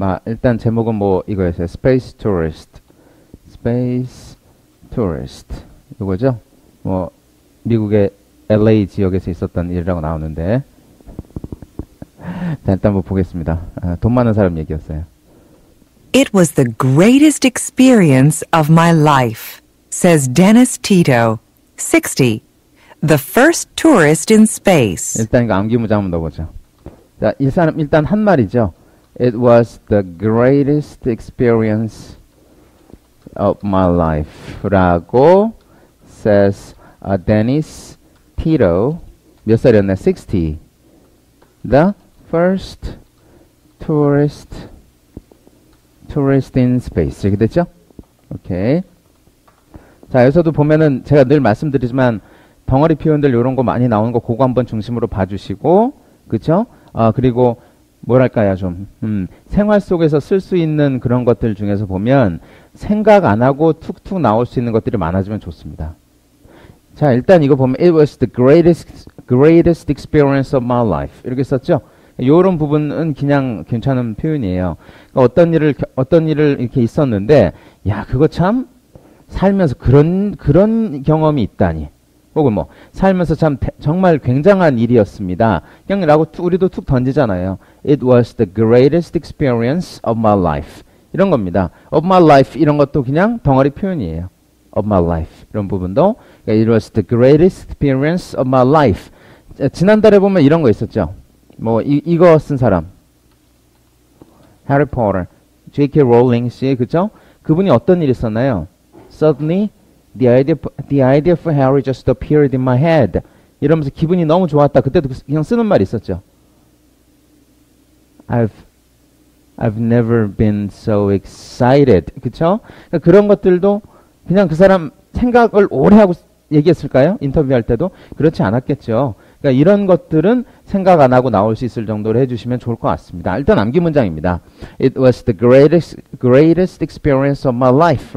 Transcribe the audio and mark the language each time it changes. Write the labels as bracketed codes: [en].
[ko] 일단 제목은 뭐 이거였어요. [en] Space Tourist. Space Tourist. 이거죠? [ko] 뭐 미국의 LA 지역에서 있었던 일이라고 나오는데. 자, 일단 한번 보겠습니다. 돈 많은 사람 얘기였어요. [en] It was the greatest experience of my life, says Dennis Tito, 60, the first tourist in space. [ko] 일단 이거 암기 문장 한번 넣어보죠. 자, 이 사람 일단 한 말이죠. [en] It was the greatest experience of my life. [ko] 라고 says Dennis Tito. 몇 살이었나? 60. [en] The first tourist in space. 이렇게 됐죠? 오케이. [ko] 자, 여기서도 보면은 제가 늘 말씀드리지만 덩어리 표현들 이런 거 많이 나오는 거 그거 한번 중심으로 봐주시고, 그쵸? 그리고 뭐랄까요, 좀 생활 속에서 쓸 수 있는 그런 것들 중에서 보면 생각 안 하고 툭툭 나올 수 있는 것들이 많아지면 좋습니다. 자, 일단 이거 보면 [en] It was the greatest experience of my life [ko] 이렇게 썼죠. 이런 부분은 그냥 괜찮은 표현이에요. 그러니까 어떤 일을 이렇게 있었는데, 야, 그거 참 살면서 그런 경험이 있다니. 혹은 뭐 살면서 참 정말 굉장한 일이었습니다. 그냥 라고 우리도 툭 던지잖아요. [en] It was the greatest experience of my life. [ko] 이런 겁니다. [en] Of my life [ko] 이런 것도 그냥 덩어리 표현이에요. [en] Of my life 이런 부분도. It was the greatest experience of my life. [ko] 지난달에 보면 이런 거 있었죠. 뭐 이거 쓴 사람. Harry Potter. J.K. Rowling 씨, 그죠? 그분이 어떤 일이 있었나요? [en] Suddenly The idea for Harry just appeared in my head. [ko] 이러면서 기분이 너무 좋았다. 그때도 그냥 쓰는 말이 있었죠. [en] I've never been so excited. 그쵸? [ko] 그러니까 그런 것들도 그냥 그 사람 생각을 오래 하고 얘기했을까요? 인터뷰할 때도? 그렇지 않았겠죠. 그러니까 이런 것들은 생각 안 하고 나올 수 있을 정도로 해주시면 좋을 것 같습니다. 일단 암기 문장입니다. [en] It was the greatest experience of my life.